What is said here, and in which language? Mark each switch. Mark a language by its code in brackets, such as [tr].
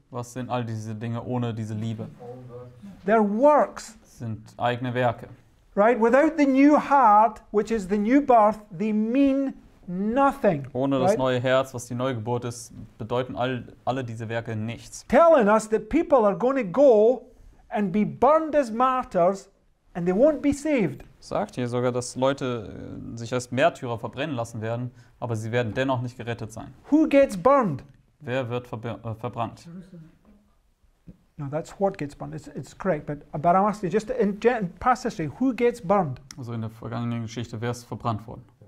[de] Was sind all diese Dinge ohne diese Liebe? [en] They're works. [de] Sind eigene Werke. [en] Right, without the new heart, which is the new birth, they mean nothing. [de] Ohne das [en] right? [de] neue Herz, was die Neugeburt ist, bedeuten alle diese Werke nichts. [en] Telling us that people are going to go and be burned as martyrs and they won't be saved. [de] Sagt hier sogar, dass Leute sich als Märtyrer verbrennen lassen werden, aber sie werden dennoch nicht gerettet sein. [en] Who gets burned? [de] Wer wird verbrannt? [en] No, that's what gets burned. It's correct, but I'm asking just in past history, who gets burned? [de] Also in der vergangenen Geschichte, wer ist verbrannt worden?